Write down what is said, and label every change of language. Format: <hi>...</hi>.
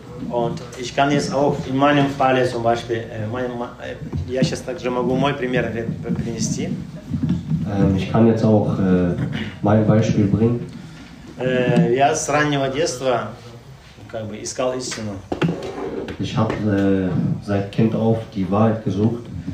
<de>Und ich kann jetzt auch in meinem Falle zum Beispiel,</de> <ru>я сейчас также могу мой пример принести.</ru> <de>Ich kann jetzt auch mein Beispiel bringen.</de> <ru>Я с раннего детства как бы искал истину.</ru> <de>Ich habe seit Kind auf die Wahrheit gesucht.</de>